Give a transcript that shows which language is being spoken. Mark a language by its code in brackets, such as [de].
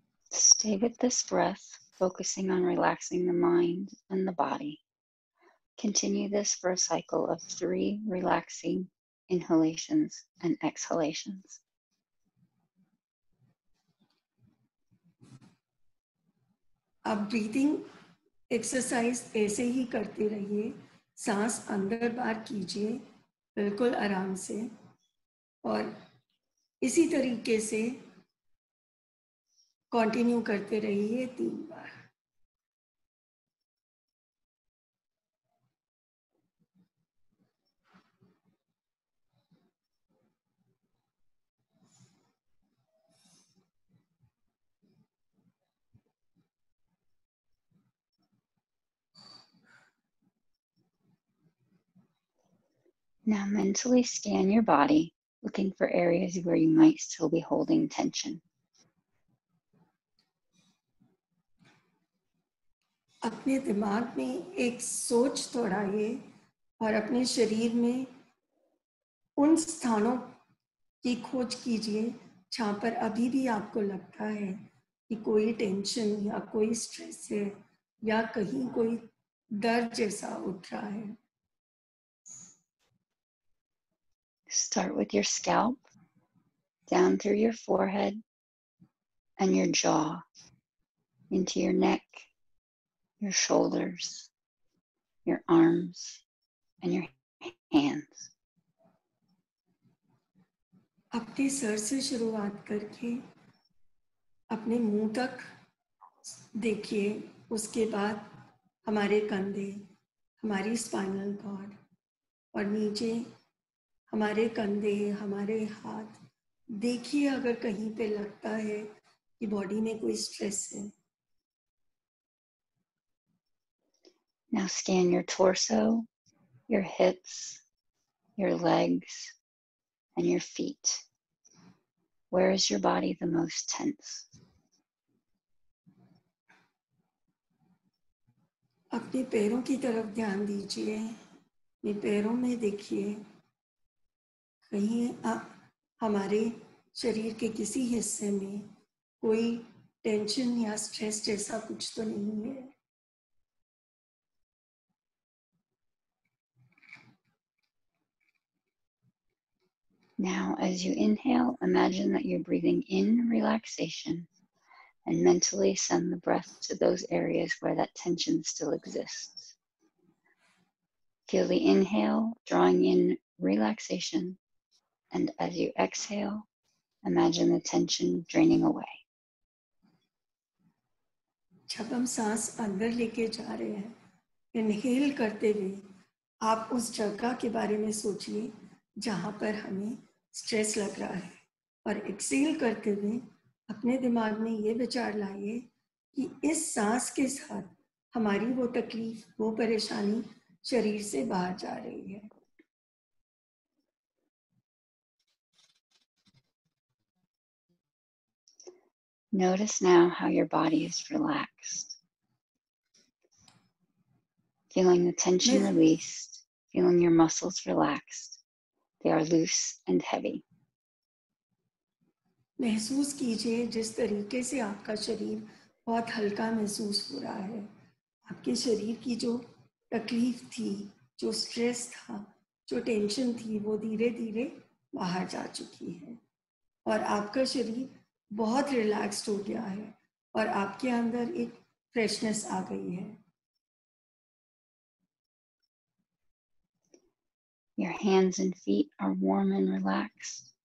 [en] Stay with this breath, focusing on relaxing the mind and the body. Continue this for a cycle of 3 relaxing inhalations and exhalations. [hi] अब breathing exercise ऐसे ही करते रहिए, सांस अंदर बाहर कीजिए बिल्कुल आराम से, और इसी तरीके से कंटिन्यू करते रहिए 3 बार. [en] Now mentally scan your body, looking for areas where you might still be holding tension. [hi] अपने दिमाग में एक सोच दौड़ाइए और अपने शरीर में उन स्थानों की खोज कीजिए जहां पर अभी भी आपको लगता है कि कोई टेंशन या कोई स्ट्रेस है या कहीं कोई डर जैसा उठ रहा है. [en] Start with your scalp, down through your forehead and your jaw, into your neck, your shoulders, your arms, and your hands. [hi] अपने सर से शुरुआत करके अपने मुंह तक देखिए, उसके बाद हमारे कंधे, हमारी स्पाइनल कॉर्ड, और नीचे हमारे कंधे, हमारे हाथ देखिए, अगर कहीं पे लगता है कि बॉडी में कोई स्ट्रेस है. [en] Now scan your torso, your hips, your legs, and your feet. Where is your body the most tense? [hi] अपने पैरों की तरफ ध्यान दीजिए. अपने पैरों में देखिए कहीं हमारे शरीर के किसी हिस्से में कोई टेंशन या स्ट्रेस जैसा कुछ तो नहीं है. [en] Now, as you inhale, imagine that you're breathing in relaxation and mentally send the breath to those areas where that tension still exists. Feel the inhale drawing in relaxation, and as you exhale, imagine the tension draining away. [hi] जब हम सांस अंदर लेके जा रहे हैं, inhale करते हुए आप उस जगह के बारे में सोचिए जहां पर हमें स्ट्रेस लग रहा है, और एक्सेल करते हुए अपने दिमाग में ये विचार लाइए कि इस सांस के साथ हमारी वो तकलीफ, वो परेशानी शरीर से बाहर जा रही है. [en] Notice now how your body is relaxed. Feeling the tension released, feeling your muscles relaxed. They are loose and heavy. [hi] महसूस कीजिए जिस तरीके से आपका शरीर बहुत हल्का महसूस हो रहा है. आपके शरीर की जो तकलीफ थी, जो स्ट्रेस था, जो टेंशन थी, वो धीरे धीरे बाहर जा चुकी है, और आपका शरीर बहुत रिलैक्स्ड हो गया है, और आपके अंदर एक फ्रेशनेस आ गई है. [en] Your hands and feet are warm and relaxed.